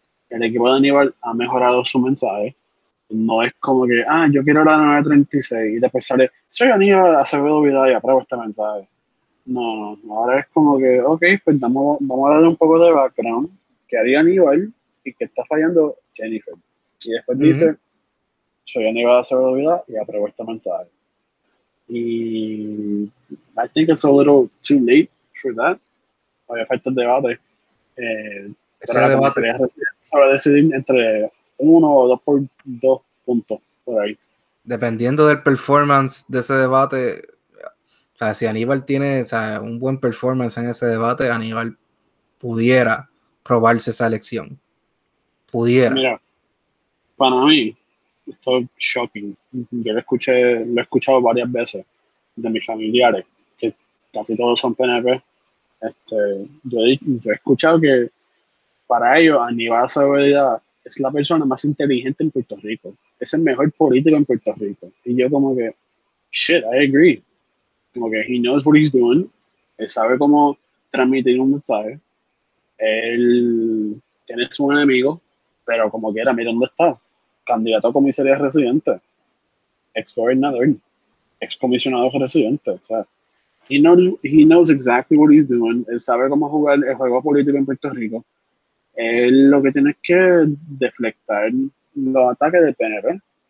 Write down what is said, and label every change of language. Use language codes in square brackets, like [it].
[es] El equipo de Aníbal ha mejorado su mensaje. No es como que, yo quiero la 936 y después sale, soy Aníbal Acevedo Vila y apruebo este mensaje. No, ahora es como que, ok, pues vamos a darle un poco de background, que haría Aníbal y que está fallando Jennifer. Y después uh-huh. dice, soy Aníbal Acevedo Vila y apruebo este mensaje. [en] Y I think it's a little too late for that. [es] Había falta el debate. Pero la comisaría se va a decidir entre 1 o 2 puntos por ahí. Dependiendo del performance de ese debate, o sea, si Aníbal tiene un buen performance en ese debate, Aníbal pudiera robarse esa elección. Pudiera. Mira, para mí, esto es shocking. Yo lo he escuchado varias veces de mis familiares, que casi todos son PNP. Yo he escuchado que para ellos Aníbal Acevedo es la persona más inteligente en Puerto Rico. Es el mejor político en Puerto Rico. Y yo como que, [en] shit, I agree. [es] Como que [en] he knows what he's doing. [es] Él sabe cómo transmitir un mensaje. Él tiene su enemigo, pero como quiera, mira dónde está. candidato a comisaría residente, ex gobernador, ex comisionado residente. O sea, [en] he knows exactly what he's doing. [es] Él sabe cómo jugar el juego político en Puerto Rico. Él lo que tiene es que deflectar los ataques de PNR.